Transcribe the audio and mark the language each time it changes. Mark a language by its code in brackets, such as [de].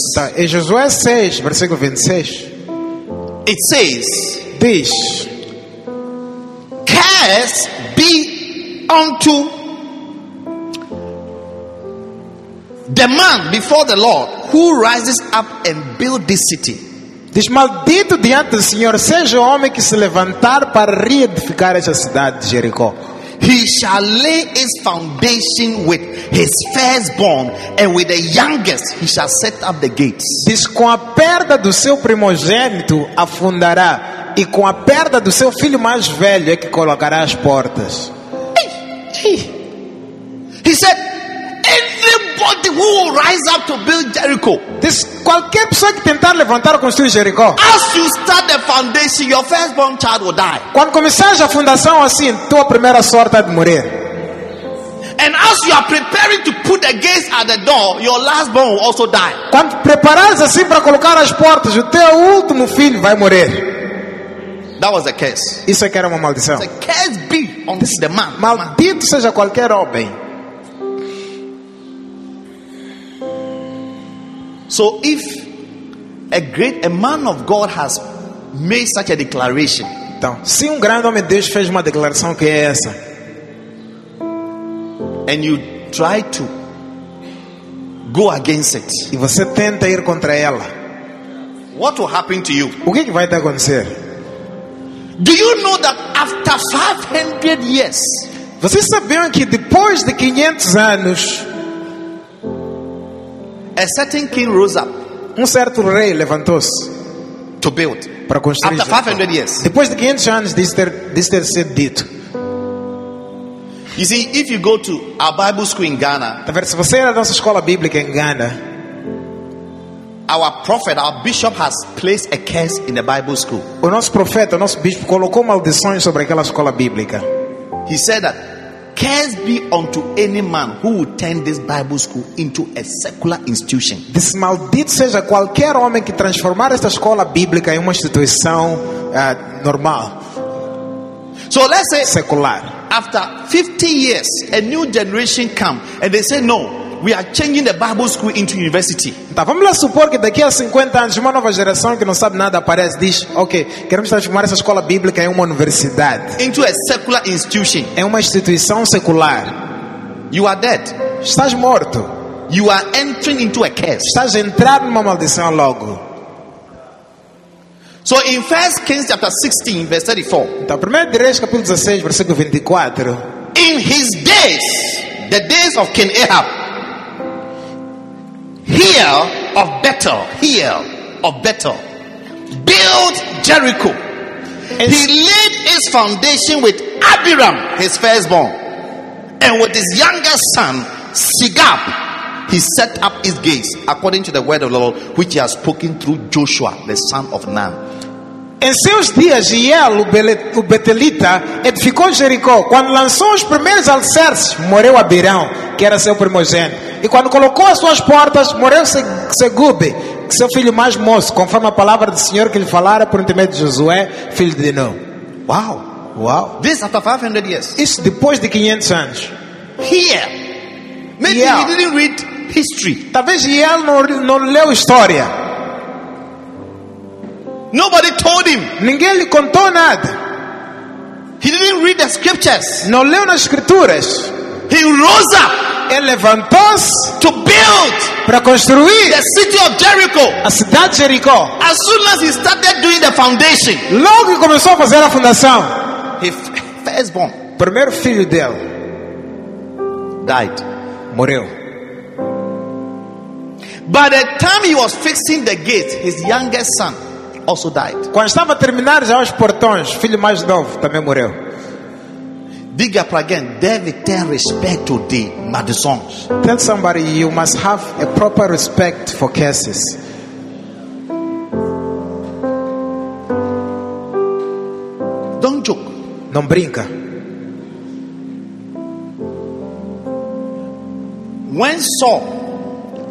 [pt] então, em Josué 6, versículo 26, [en] it says, [pt] diz, [en] curse be unto the man before the Lord who rises up and build this city. [pt] Diz, maldito diante do Senhor seja o homem que se levantar para reedificar essa cidade de Jericó. [en] He shall lay his foundation with his firstborn, and with the youngest he shall set up the gates. [pt] Diz, com a perda do seu primogênito afundará, e com a perda do seu filho mais velho é que colocará as portas. [en] He said, anybody who will rise up to build Jericho. [pt] This qualquer pessoa que tentar levantar ou construir Jericó. [en] As you start the foundation, your firstborn child will die. [pt] Quando começar a fundação assim, tua primeira sorte de morrer. [en] And as you are preparing to put the gates at the door, your last born will also die. [pt] Quando preparares assim para colocar as portas, o teu último filho vai morrer. [en] That was a curse. [pt] Isso é que era uma maldição. [en] It's a curse be on this, the man. [pt] Maldito seja qualquer homem. [en] So if a great a man of God has made such a declaration. [pt] Então, se grande homem de Deus fez uma declaração que é essa. [en] And you try to go against it. [pt] E você tenta ir contra ela. [en] What will happen to you? [pt] O que vai te acontecer? [en] Do you know that after 500 years? [pt] Você sabia que depois de 500 anos, [en] a certain king rose up. [pt] Certo rei levantou-se [en] to build. [pt] Para construir. [en] After 500 years. [pt] Depois de 500 anos, this ter sido dito. [en] You see, if you go to our Bible school in Ghana, [pt] se você ir à nossa escola bíblica em Ghana, [en] our prophet, our bishop has placed a curse in the Bible school. [pt] O nosso profeta, o nosso bispo colocou maldições sobre aquela escola bíblica. [en] He said that curse be unto any man who will turn this Bible school into a secular institution. [pt] Diz, maldito seja qualquer homem que transformar esta escola bíblica em uma instituição normal. [en] So let's say secular. After 50 years, a new generation come and they say, no, we are changing the Bible school into university. [pt] Então, vamos lá supor que daqui a 50 anos uma nova geração que não sabe nada aparece, diz, ok, queremos transformar essa escola bíblica em uma universidade. [en] Into a secular institution. [pt] É uma instituição secular. [en] You are dead. [pt] Estás morto. [en] You are entering into a curse. [pt] Estás entrando numa maldição logo. [en] So in 1 Kings chapter 16 verse 34. [pt] Então, 1 Reis capítulo 16 versículo 24. [en] In his days, the days of King Ahab, hear of Bethel, built Jericho. And he laid its foundation with Abiram, his firstborn, and with his youngest son Segub, he set up his gates according to the word of the Lord which he has spoken through Joshua, the son of Nun. [pt] Em seus dias, Jiel, o betelita, edificou Jericó. Quando lançou os primeiros alicerces, morreu Abirão, que era seu primogênito. E quando colocou as suas portas, morreu Segub, seu filho mais moço, conforme a palavra do Senhor que lhe falara por intermédio de Josué, filho de Nun. Wow. Wow. [en] This after 500 years. [pt] Isso depois de 500 anos. [en] Here. Maybe Jiel. He didn't read history. [pt] Talvez Jiel não leu história. [en] Nobody told him. [pt] Ninguém lhe contou nada. [en] He didn't read the scriptures. [pt] Não leu nas escrituras. [en] He rose up. [pt] Ele levantou-se [en] to build [pt] para construir [en] the city of Jericho. [pt] A cidade de Jericó. [en] As soon as he started doing the foundation. [pt] Logo que começou a fazer a fundação. [en] His firstborn. [pt] Primeiro filho dele. [en] Died. [pt] Morreu. [en] By the time he was fixing the gate, his youngest son also died. [pt] Quando estava a terminar já os portões, filho mais novo também morreu. Diga para alguém, deve ter respeito de maldições. [en] Tell somebody you must have a proper respect for curses. Don't joke. [pt] Não brinca. [en] When Saul,